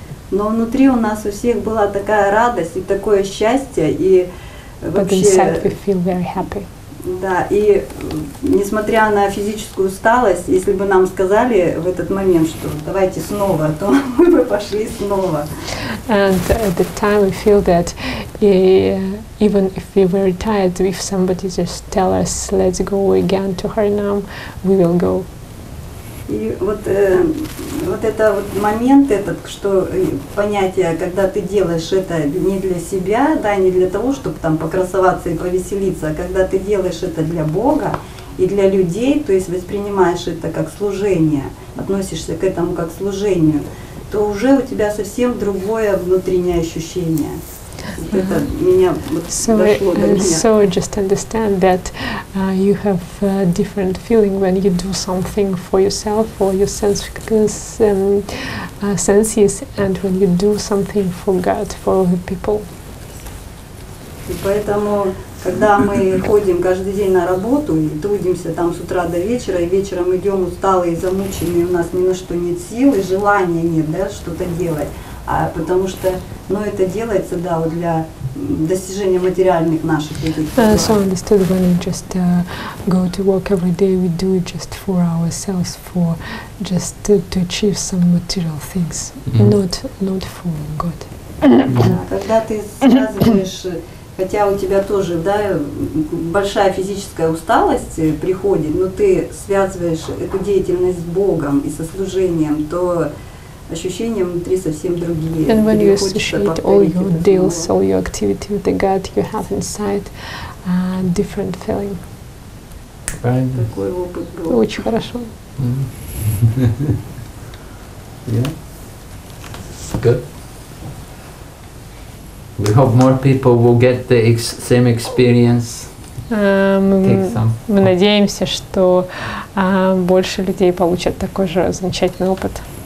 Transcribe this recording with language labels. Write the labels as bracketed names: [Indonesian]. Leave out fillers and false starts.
[Russian] Но внутри у нас у всех была такая радость и такое счастье и вообще. [English] But inside we feel very happy. [Russian] Да, и несмотря на физическую усталость, если бы нам сказали в этот момент, что давайте снова, то мы бы пошли снова. [English] And at the time we feel that even if we were tired, if somebody just tell us let's go again to Harinam, we will go. [Russian] И вот вот это вот момент этот, что понятие, когда ты делаешь это не для себя, да, не для того, чтобы там покрасоваться и повеселиться, а когда ты делаешь это для Бога и для людей, то есть воспринимаешь это как служение, относишься к этому как служению, то уже у тебя совсем другое внутреннее ощущение. [English] So just understand that you have a different feeling when you do something for yourself or your senses and when you do something for God, for the people. [Russian] И поэтому, когда мы ходим каждый день на работу и трудимся там с утра до вечера, и вечером идем усталые, замученные, у нас ни на что нет сил и желания нет, да, что-то делать. А потому что, ну, это делается, да, вот для достижения материальных наших целей. [English] So understood when we just go to work every day, we do it just for ourselves, for just to achieve some material things, not for God. [Russian] Когда ты связываешь, хотя у тебя тоже, да, большая физическая усталость приходит, но ты связываешь эту деятельность с Богом и со служением, то ощущения внутри совсем другие. [English] And when you associate all your deals, all your activity with the God, you have inside a different feeling. [Russian] Правильно. Очень хорошо. [English] Yeah. Good. We hope more people will get the same experience. [Russian] Мы надеемся, что больше людей получат такой же замечательный опыт.